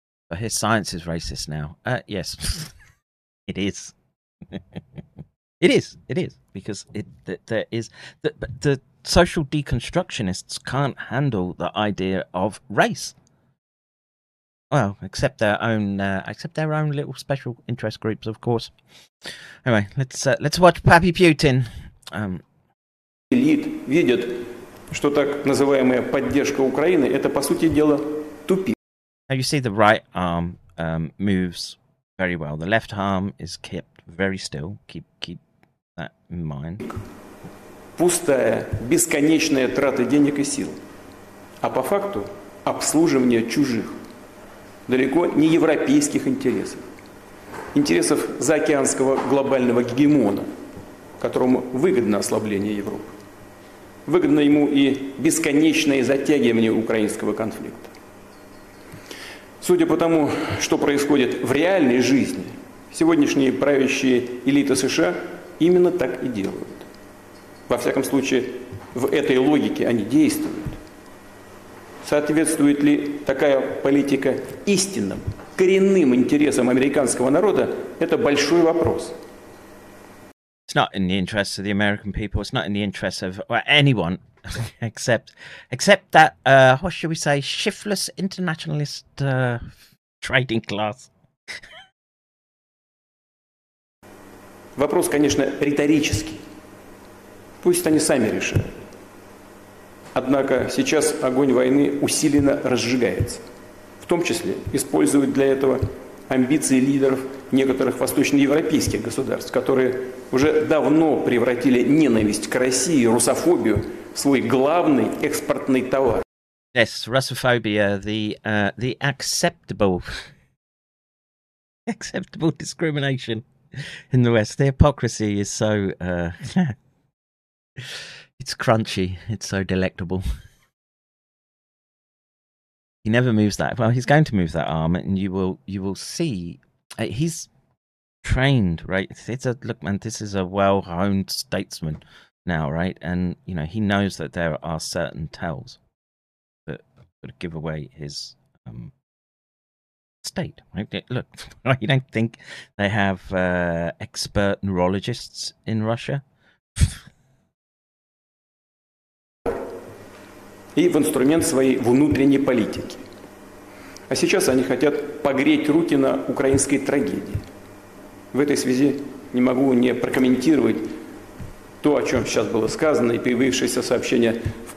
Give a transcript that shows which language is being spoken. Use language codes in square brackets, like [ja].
[en] I hear science is racist now. Yes, it is. It is. Because there is the social deconstructionists can't handle the idea of race. Well, except their own little special interest groups, of course. Anyway, let's watch Papi Putin. [ru] Элит видит, что так называемая поддержка Украины это по сути дела тупик. [en] Now you see the right arm moves very well. The left arm is kept very still. Keep that in mind. [ru] Пустая, бесконечная трата денег и сил. А по факту обслуживание чужих, далеко не европейских интересов. Интересов заокеанского глобального гегемона, которому выгодно ослабление Европы. Выгодно ему и бесконечное затягивание украинского конфликта. Судя по тому, что происходит в реальной жизни, сегодняшние правящие элиты США именно так и делают. Во всяком случае, в этой логике они действуют. Соответствует ли такая политика истинным, коренным интересам американского народа, это большой вопрос. [en] It's not in the interest of the American people, it's not in the interest of anyone, except that, what should we say, shiftless internationalist trading class. [ru] Вопрос, конечно, риторический. Пусть они сами решают. Однако сейчас огонь войны усиленно разжигается. В том числе используют для этого амбиции лидеров некоторых восточноевропейских государств, которые уже давно превратили ненависть к России, русофобию в свой главный экспортный товар. [en] Yes, Russophobia, the acceptable discrimination in the West. The hypocrisy is so... It's crunchy. It's so delectable. He never moves that. Well, he's going to move that arm, and you will see. He's trained, right? It's a look, man. This is a well-honed statesman now, right? And you know he knows that there are certain tells that would give away his state, right? Look, you don't think they have expert neurologists in Russia? [ru] И в инструмент своей внутренней политики. А сейчас они хотят погреть руки на украинской трагедии. В этой связи не могу не прокомментировать то, о чем сейчас было сказано, и появившееся сообщение в